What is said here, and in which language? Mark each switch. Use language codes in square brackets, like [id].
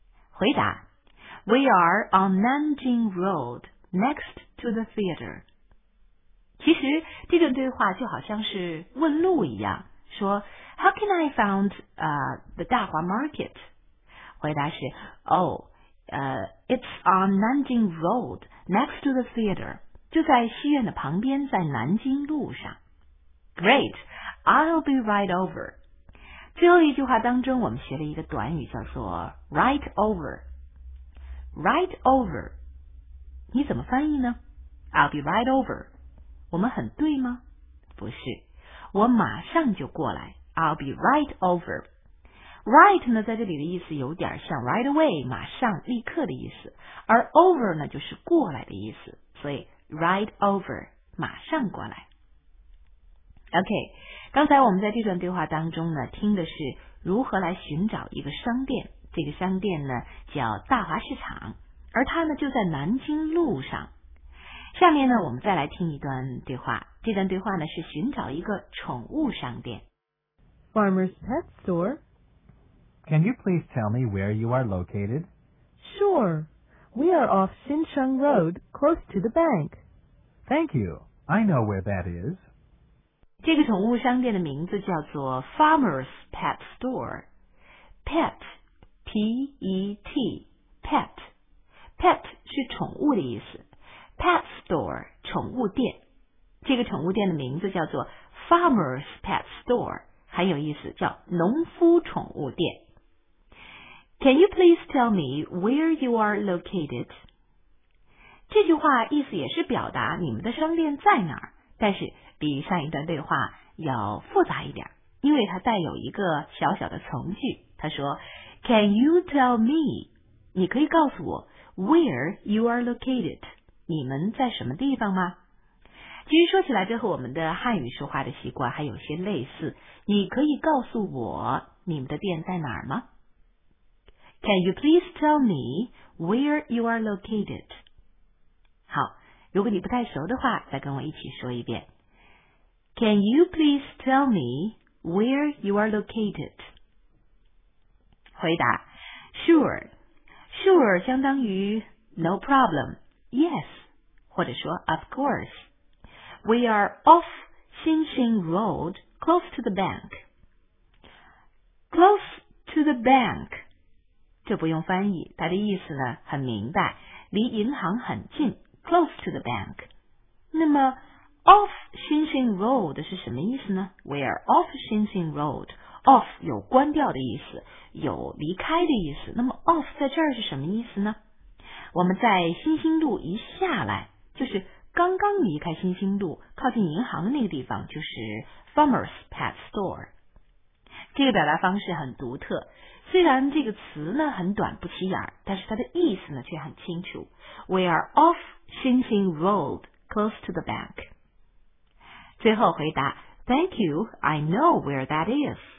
[zh] 回答 [en] We are on Nanjing Road, next to the theater. [zh] 其实这个对话就好像是问路一样，说 [en] How can I find the Dahua Market? [zh] 回答是 [en] Oh, it's on Nanjing Road, next to the theater. [zh] 就在戏院的旁边，在南京路上。 [en] Great, I'll be right over. [zh] 最后一句话当中我们学了一个短语叫做 [en] right over. Right over. [zh] 你怎么翻译呢？ [en] I'll be right over. [zh] 我们很对吗？不是，我马上就过来。 [en] I'll be right over. [zh] Right 呢，在这里的意思有点像 [en] right away, [zh] 马上、立刻的意思。而 over 呢，就是过来的意思。所以 [en] right over, [zh] 马上过来。 OK, 刚才我们在这段对话当中呢，听的是如何来寻找一个商店。这个商店呢，叫大华市场，而它呢，就在南京路上。下面呢，我们再来听一段对话。这段对话呢是寻找一个宠物商店。 [en] Farmer's Pet Store. Can you please tell me where you are located? Sure. We are off Xincheng Road, close to the bank. Thank you. I know where that is. [zh] 这个宠物商店的名字叫做 Farmer's Pet Store。 Pet, P-E-T, Pet, Pet 是宠物的意思。 Pet Store, 宠物店。这个宠物店的名字叫做 Farmer's Pet Store, 很有意思，叫农夫宠物店。 [en] Can you please tell me where you are located? [zh] 这句话意思也是表达你们的商店在哪儿，但是比上一段对话要复杂一点，因为它带有一个小小的从句。他说 , [en] Can you tell me? [zh] 你可以告诉我 , [en] where you are located? [zh] 你们在什么地方吗？其实说起来这和我们的汉语说话的习惯还有些类似。你可以告诉我你们的店在哪儿吗？ [en] Can you please tell me where you are located? [zh] 好，如果你不太熟的话，再跟我一起说一遍。 [en] Can you please tell me where you are located? [zh] 回答 [en] ,sure. Sure [zh] 相当于 [en] no problem, yes, [zh] 或者说 [en] of course. We are off Xinxing Road, close to the bank. Close to the bank. [zh] 这不用翻译，它的意思呢很明白，离银行很近 , [en] close to the bank。 [zh] 那么 ,off Xinxing Road 是什么意思呢 ? [en] Where off Xinxing Road, [zh] off 有关掉的意思，有离开的意思。那么 off 在这儿是什么意思呢？我们在新兴路一下来，就是刚刚离开新兴路靠近银行的那个地方，就是 Farmer's Pet Store。这个表达方式很独特，虽然这个词呢很短不起眼，但是它的意思呢却很清楚。 [en] We are off Xinxing Road, close to the bank. [zh] 最后回答 [en] ,Thank you, I know where that is.